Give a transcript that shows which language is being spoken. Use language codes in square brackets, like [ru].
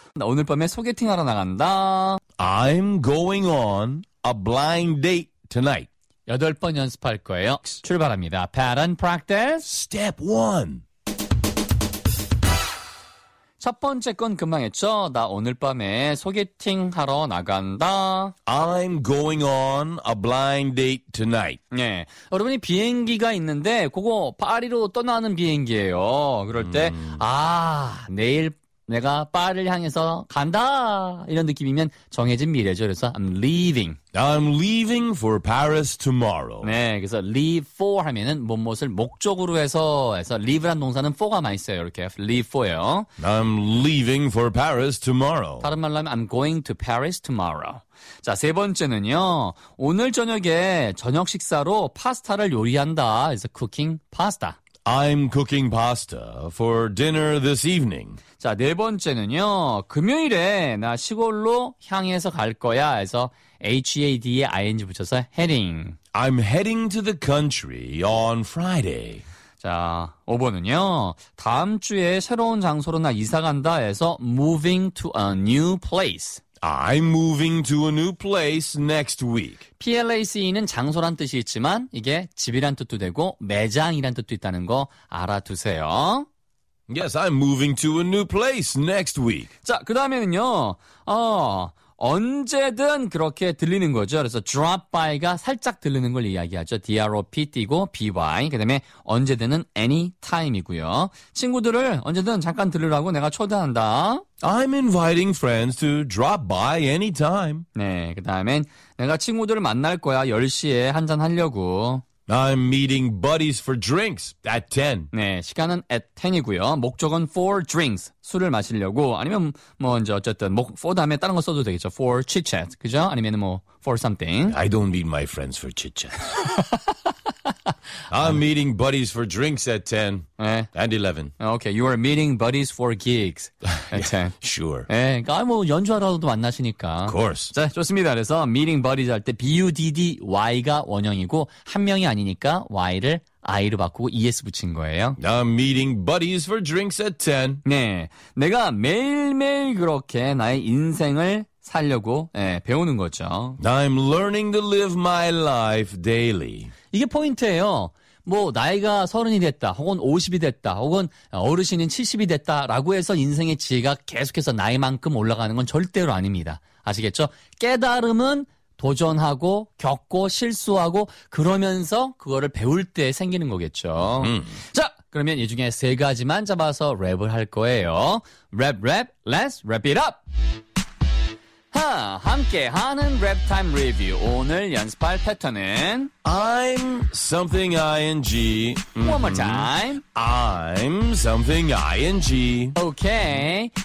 [ko] 나 오늘 밤에 소개팅하러 나간다. [en] I'm going on a blind date tonight. [ko] 여덟 번 연습할 거예요. 출발합니다. [en] Pattern practice. Step one. [ko] 첫 번째 건 금방 했죠? 나 오늘 밤에 소개팅 하러 나간다. [en] I'm going on a blind date tonight. [ko] 네. 여러분이 비행기가 있는데, 그거 파리로 떠나는 비행기예요. 그럴 때, 아, 내일 내가 파리를 향해서 간다. 이런 느낌이면 정해진 미래죠. 그래서 [en] I'm leaving. I'm leaving for Paris tomorrow. [ko] 네. 그래서 leave for 하면은 무엇을 목적으로 해서 leave란 동사는 for가 많이 있어요. 이렇게 leave for요. [en] I'm leaving for Paris tomorrow. [ko] 다른 말로 하면 [en] I'm going to Paris tomorrow. [ko] 자, 세 번째는요. 오늘 저녁에 저녁 식사로 파스타를 요리한다. 그래서 [en] cooking pasta. I'm cooking pasta for dinner this evening. [ko] 자, 네 번째는요. 금요일에 나 시골로 향해서 갈 거야. 그래서 HAD에 ING 붙여서 heading. [en] I'm heading to the country on Friday. [ko] 자, 5번은요. 다음 주에 새로운 장소로 나 이사 간다. 해서 [en] moving to a new place. I'm moving to a new place next week. [ko] PLACE는 장소란 뜻이 있지만 이게 집이란 뜻도 되고 매장이란 뜻도 있다는 거 알아두세요. [en] Yes, I'm moving to a new place next week. [ko] 자, 그 다음에는요. 언제든 그렇게 들리는 거죠. 그래서 drop by가 살짝 들리는 걸 이야기하죠. [en] D-R-O-P-D고 B-Y. [ko] 그 다음에 언제든은 anytime이고요. 친구들을 언제든 잠깐 들으라고 내가 초대한다. [en] I'm inviting friends to drop by anytime. [ko] 네, 그 다음엔 내가 친구들을 만날 거야. 10시에 한잔하려고. [en] I'm meeting buddies for drinks at 10. [ko] 네, 시간은 at 10이고요. 목적은 [en] for drinks, [ko] 술을 마시려고. 아니면 뭐 이제 어쨌든 뭐 for 다음에 다른 거 써도 되겠죠. [en] For chit-chat, [ko] 그죠? 아니면 뭐 [en] for something. I don't meet my friends for chit-chat. I'm meeting buddies for drinks at 10 네. and 11. Okay, you are meeting buddies for gigs at 10. Sure. [ko] 네, 그러니까 뭐 연주하러도 만나시니까. [en] Of course. [ko] 자, 좋습니다. 그래서 [en] meeting buddies [ko] 할 때 B-U-D-D-Y가 원형이고 한 명이 아니니까 Y를 I로 바꾸고 ES 붙인 거예요. [en] I'm meeting buddies for drinks at 10. [ko] 네, 내가 매일매일 그렇게 나의 인생을 살려고 네, 배우는 거죠. [en] I'm learning to live my life daily. [ko] 이게 포인트예요. 뭐 나이가 서른이 됐다, 혹은 50이 됐다, 혹은 어르신인 70이 됐다라고 해서 인생의 지혜가 계속해서 나이만큼 올라가는 건 절대로 아닙니다. 아시겠죠? 깨달음은 도전하고 겪고 실수하고 그러면서 그거를 배울 때 생기는 거겠죠. 자, 그러면 이 중에 세 가지만 잡아서 랩을 할 거예요. 랩, 랩, [en] let's wrap it up! [ko] 함께하는 랩타임 리뷰. 오늘 연습할 패턴은 [en] I'm something ing. Mm-hmm. One more time. I'm something ing. Okay.